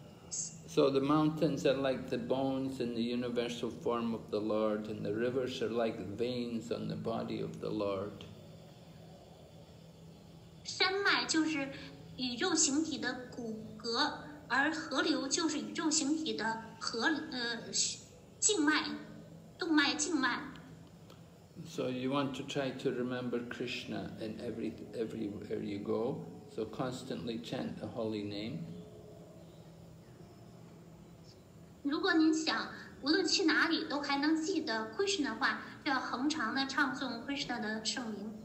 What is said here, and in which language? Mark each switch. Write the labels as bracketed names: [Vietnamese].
[English] So the mountains are like the bones in the universal form of the Lord, and the rivers are like veins on the body of the Lord. [Chinese] 山脉就是宇宙形体的骨骼，而河流就是宇宙形体的河静脉、动脉、静脉。 [English] So you want to try to remember Krishna in everywhere you go. So constantly chant the holy name. [Chinese] 如果您想无论去哪里都还能记得 Krishna 的话，就要恒常的唱诵 Krishna 的圣名。